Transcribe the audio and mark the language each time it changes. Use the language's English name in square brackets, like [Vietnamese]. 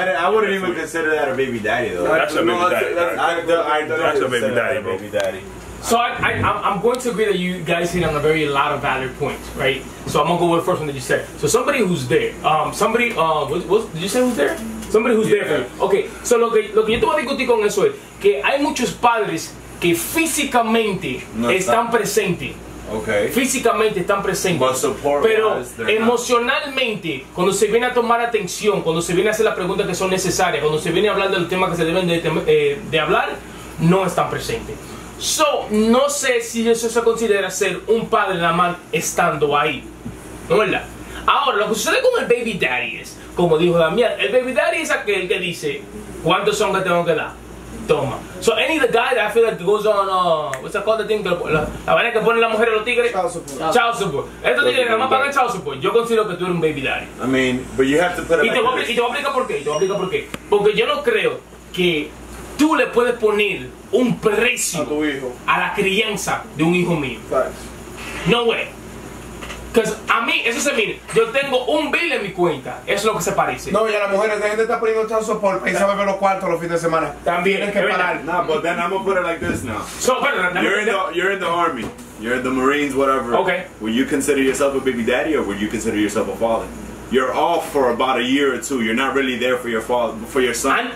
[English] I wouldn't even consider that a baby daddy, though. That's a baby daddy. That's a baby daddy, bro. So I'm going to agree that you guys hit on a very lot of valid points, right? So I'm gonna go with the first one that you said. So somebody who's there, did you say who's there? Somebody who's there. Okay. [Spanish] So lo que yo te voy a discutir con eso es que hay muchos padres que físicamente están presentes. [English] Okay. [Spanish] Físicamente están presentes. Pero emocionalmente, cuando se viene a tomar atención, cuando se viene a hacer las preguntas que son necesarias, cuando se viene a hablar del tema que se deben de hablar, no están presentes. So, no sé si eso se considera ser un padre nada más estando ahí, ¿no es verdad? Ahora, lo que sucede con el baby daddy es, como dijo Damián, el baby daddy es aquel que dice, ¿cuántos son que tengo que dar? Toma. [English] So, any of the guy that I feel like goes on, what's that called, the thing? [Spanish] La vaina que pone la mujer a los tigres. [English] Child support. [Spanish] Estos tigres nada más pagan child support. Yo considero que tú eres un baby daddy. [English] I mean, but you have to put it back. [Spanish] Y te voy a explicar por qué. Porque yo no creo que tú le puedes poner un precio a tu hijo, a la crianza de un hijo mío. [English] Facts. No way. Because [Spanish] a mí, eso se mire, yo tengo un bill en mi cuenta. Eso es lo que se parece. No, y a las mujeres, la gente está poniendo child support y se bebe los cuartos los fines de semana. También. Tienes que parar. [English] No, but then I'm going to put it like this now. [Spanish] So, pero, [English] you're in the army. You're in the Marines, whatever. Okay. Would you consider yourself a baby daddy or would you consider yourself a father? You're off for about a year or two. You're not really there for your father, for your son.